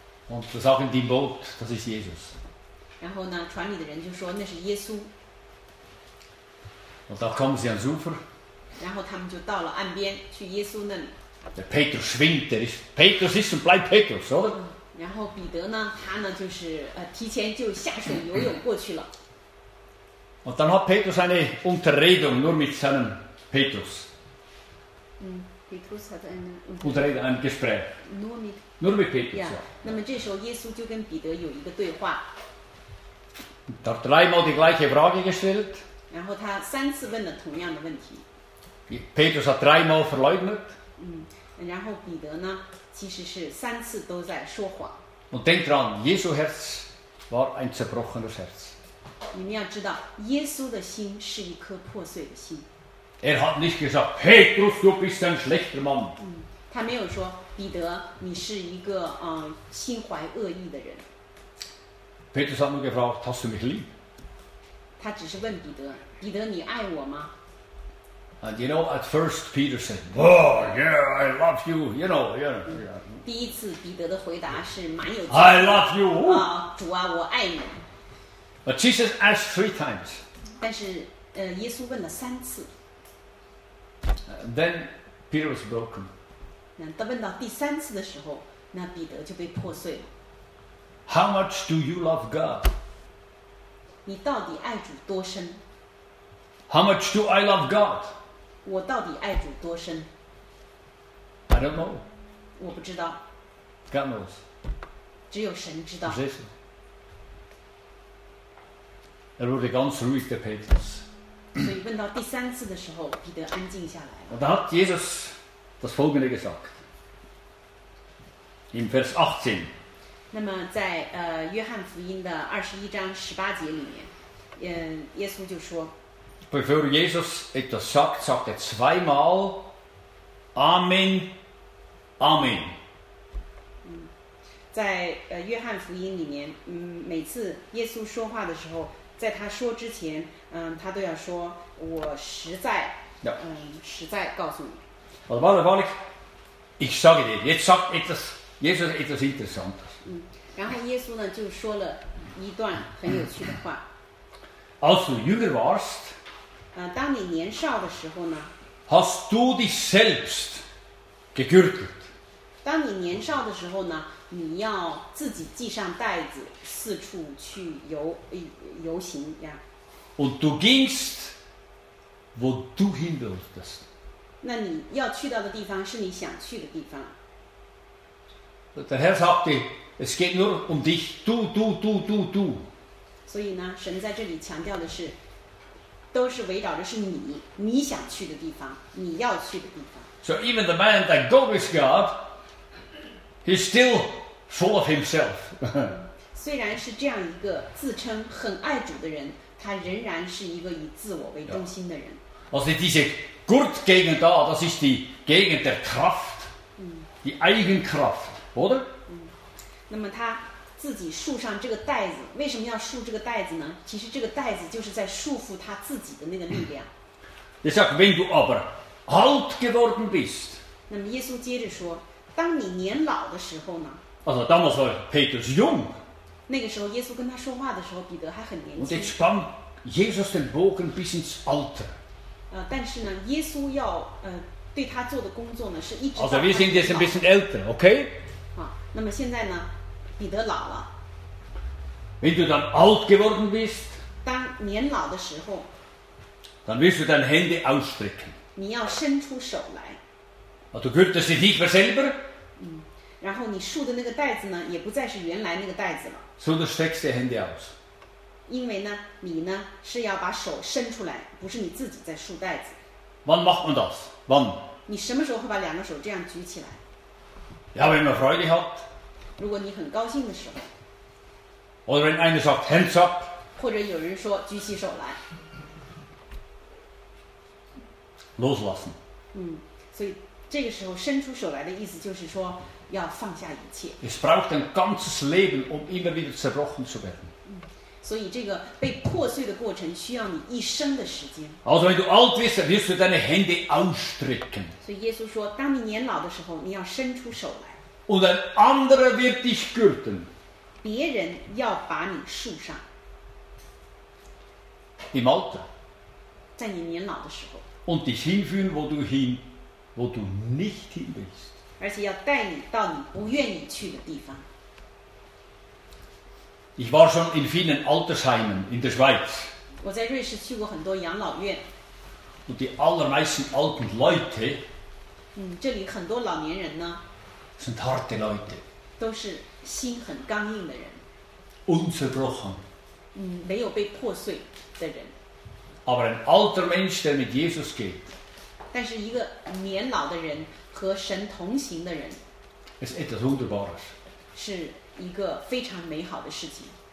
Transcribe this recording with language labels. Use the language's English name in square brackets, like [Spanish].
[German] Und das auch in dem Boot, das ist Jesus. [Chinese] 然后呢，船里的人就说那是耶稣。 [German] Und da kommen sie ans Ufer. [Chinese] 然后他们就到了岸边，去耶稣那里。 [German] Der Petrus schwimmt, der ist Petrus ist und bleibt Petrus, oder? [Chinese] 然后彼得呢，他呢就是提前就下水游泳过去了。 [German] Und dann hat Petrus eine Unterredung nur mit seinem Petrus. Petrus hat eine Unterredung, ein Gespräch. Nur mit Petrus. Ja. [Chinese] 那么这时候耶稣就跟彼得有一个对话。 [German] Und hat dreimal die gleiche Frage gestellt. [Chinese] 然后他三次问了同样的问题。 [German] Petrus hat dreimal verleugnet. [Chinese] 然后彼得呢，其实是三次都在说谎。 [German] Und denk dran, Jesu Herz war ein zerbrochenes Herz. [Chinese] 你们要知道，耶稣的心是一颗破碎的心。 [German] Er hat nicht gesagt, Petrus, du bist ein schlechter Mann. [Chinese] 他没有说，彼得，你是一个心怀恶意的人。 [German] Petrus hat nur gefragt, hast du mich lieb? [Chinese] 他只是问彼得，彼得，你爱我吗？ [English] And you know, at first Peter said, "Oh, yeah, I love you." You know, yeah. [Chinese] 第一次彼得的回答是蛮有。 [English] I love you. [Chinese] 主啊，我爱你。 [English] But Jesus asked three times. [Chinese] 但是耶稣问了三次。 [English] Then Peter was broken. [Chinese] 那他问到第三次的时候，那彼得就被破碎了。 [English] How much do you love God? [Chinese] 你到底爱主多深 [English] ？How much do I love God? [Chinese] 我到底爱主多深 [English] ？I don't know. [Chinese] 我不知道。 [English] God knows. [Chinese] 只有神知道。 [English] Jesus. [German] Er wurde ganz ruhig, der Petrus. [Chinese] 所以问到第三次的时候，彼得安静下来了。 [German] Und hat Jesus das Folgende gesagt. In Vers 18. [Chinese] 那么在约翰福音的二十一章十八节里面，耶稣就说。 [German] bevor Jesus etwas sagt, sagt er zweimal Amen, Amen. [Chinese] 在约翰福音里面，每次耶稣说话的时候，在他说之前，他都要说我实在，实在告诉你。 [German] Wahrlich, ich sage dir, jetzt sagt etwas, Jesus etwas Interessantes. [Chinese] 然后耶稣呢就说了一段很有趣的话。 [German] Als du jünger warst, [Chinese] 当你年少的时候呢， [German] hast du dich selbst gegürtelt. [Chinese] 当你年少的时候呢，你要自己系上带子，四处去游行呀。 [German] Und du gingst, wo du hin wolltest. [Chinese] 那你要去到的地方是你想去的地方。 [German] Der Herr sagte, es geht nur um dich, du, du, du, du, du. [Chinese] 所以呢，神在这里强调的是，都是围绕着是你，你想去的地方，你要去的地方。 [English] So even the man that goes with God, he's still full of himself. [Chinese] 虽然是这样一个自称很爱主的人，他仍然是一个以自我为中心的人。 [German] Also diese Gurtgegend da, das ist die Gegend der Kraft, die Eigenkraft, oder? [Chinese] 那么他自己束上这个带子，为什么要束这个带子呢？其实这个带子就是在束缚他自己的那个力量。 [German] Er sagt, wenn du aber alt geworden bist. [Chinese] 那么耶稣接着说，当你年老的时候呢？ [German] Also damals war Petrus jung. [Chinese] 那个时候耶稣跟他说话的时候，彼得还很年轻。 [German] Und jetzt spann Jesus den Bogen bis ins Alter. [Chinese] 但是呢，耶稣要对他做的工作呢，是一直到。 [German] Also wir sind jetzt ein bisschen älter, okay? [Chinese] 那么现在呢？彼得老了。 [German] Wenn du dann alt geworden bist, [Chinese] 当年老的时候， [German] dann wirst du deine Hände ausstrecken. [Chinese] 你要伸出手来。 [German] Du gürtest dich nicht mehr selber. [Chinese] 然后你束的那个带子呢，也不再是原来那个带子了。 [German] So du streckst die Hände aus. [Chinese] 因为呢，你呢是要把手伸出来，不是你自己在束带子。 [German] Wann macht man das? Wann? [Chinese] 你什么时候会把两个手这样举起来？ [German] Ja, wenn man Freude hat. [Chinese] 如果你很高兴的时候， [German] oder wenn einer sagt, [English] hands up, [Chinese] 或者有人说举起手来， [German] loslassen. [Chinese] 所以这个时候伸出手来的意思就是说要放下一切。 [German] Es braucht ein ganzes Leben, um immer wieder zerbrochen zu werden. [Chinese] 所以这个被破碎的过程需要你一生的时间。 [German] Also wenn du alt wirst, wirst du deine Hände ausstrecken. [Chinese] 所以耶稣说，当你年老的时候，你要伸出手来。 [German] Und ein anderer wird dich gürten. [Chinese] 别人要把你束上。 [German] Im Alter. [Chinese] 在你年老的时候。 [German] Und dich hinführen, wo du nicht hin willst. [Chinese] 而且要带你到你不愿意去的地方。 [German] Ich war schon in vielen Altersheimen in der Schweiz. [Chinese] 我在瑞士去过很多养老院。 [German] Und die allermeisten alten Leute. [Chinese] 这里很多老年人呢。 [German] Sind harte Leute. [Chinese] 都是心很刚硬的人。 [German] Unzerbrochen. [Chinese] 没有被破碎的人。 [German] Aber ein alter Mensch, der mit Jesus geht. [Chinese] 但是一个年老的人和神同行的人。 [German] Ist etwas Wunderbares. [Chinese] 是一个非常美好的事情。